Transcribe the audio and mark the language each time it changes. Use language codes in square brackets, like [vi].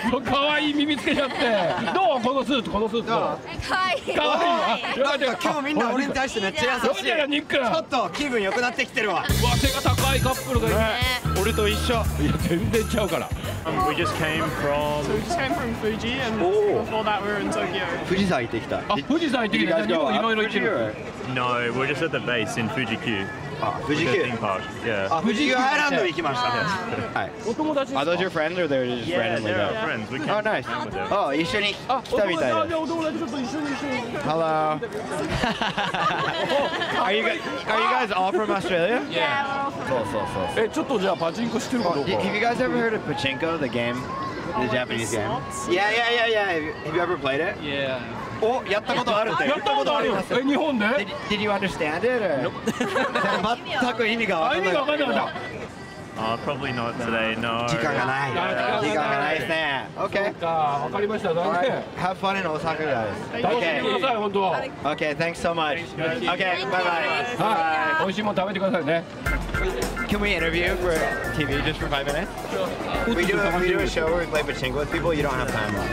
[ja] かわいい耳つけちゃって。どう、このスーツ、このスーツ。かわいい。かわいい。なんか今日みんな俺に対してめっちゃ優しい。ちょっと気分良くなってきてるわ。わ、背が高いカップルがいる。俺と一緒。いや、全然ちゃうから。 [en] We just came from. So we just came from Fuji, and before that we were in Tokyo. [ja] 富士山行ってきた。あ、富士山行ってきた。日本いろいろ行ってる。 [en] No, we're just at the base in Fuji Q. [ja] 富士急。あ、富士急アイランド行きました。はい。お友達ですか？ [en] Are those your friends or they're just randomly there? Yeah, friends. We can't. Oh, nice. [ja] Oh, 一緒に来たみたいです。お友達と一緒に。 [en] Hello. Are you guys all from Australia? Yeah. [ja] そうそうそう。え、ちょっとじゃあパチンコしてるかどうか。 [en] Have you guys ever heard of Pachinko, the game? The Japanese game? Yeah, yeah, yeah, yeah. Have you ever played it? Yeah. [ja] お、やったことあるって。やったことあるよ。え、日本で？ [en] Did you understand it? Or? Nope. [ja] 全く意味が分かんない。意味が分かんない [en] 。 Ah, probably not today. No. [ja] 時間がない。時間がないですね。Okay. わかりました。 [en] All right. Have fun in Osaka, guys. [ja] 楽しんでください、本当は。 [en] Okay. Thanks so much. Okay. Bye bye. [ja] はい。美味しいもの食べてくださいね。 [en] Can we interview for TV just for 5 minutes? Sure. We do a show where we play pachinko with people. You don't have time.